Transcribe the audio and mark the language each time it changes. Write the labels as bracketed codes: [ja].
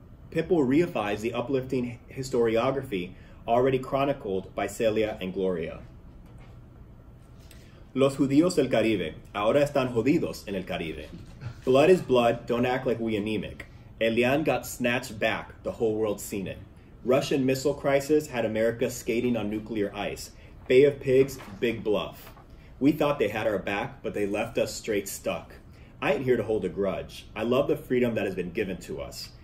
[en] Pitbull reifies the uplifting historiography already chronicled by Celia and Gloria. [es] Los judíos del Caribe, ahora están jodidos en el Caribe. [en] Blood is blood, don't act like we anemic. Elian got snatched back, the whole world seen it. Russian missile crisis had America skating on nuclear ice. Bay of Pigs, big bluff. We thought they had our back, but they left us straight stuck. I ain't here to hold a grudge. I love the freedom that has been given to us.